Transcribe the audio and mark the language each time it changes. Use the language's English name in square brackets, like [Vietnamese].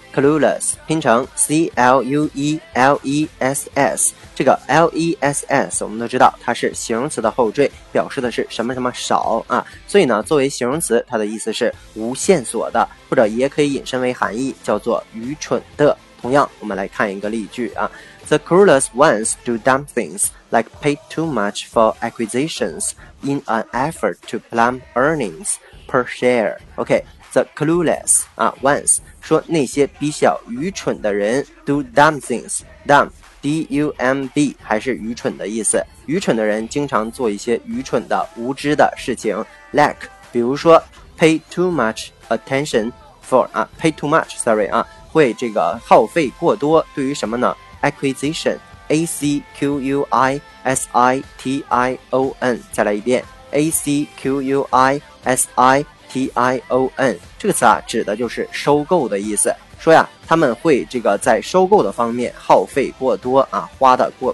[Chinese] Clueless 拼成 C-L-U-E-L-E-S-S， 这个 L-E-S-S 我们都知道它是形容词的后缀，表示的是什么什么少啊，所以呢作为形容词它的意思是无线索的，或者也可以引申为含义叫做愚蠢的。同样我们来看一个例句啊， [English] The clueless ones do dumb things like pay too much for acquisitions in an effort to plumb earnings per share. [Chinese] OK, [English] the clueless、once [Chinese] 说那些比较愚蠢的人 [English] do dumb things, [Chinese] dumb, D-U-M-B, 还是愚蠢的意思。愚蠢的人经常做一些愚蠢的无知的事情 like, 比如说 [English] pay too much attention for, pay too much, sorry, [Chinese] 会这个耗费过多对于什么呢 acquisition, A-C-Q-U-I-S-I-T-I-O-N, 再来一遍 A-C-Q-U-I-S-I-T-I-O-N,这个词啊指的就是收购的意思，说呀他们会这个在收购的方面耗费过多啊，花的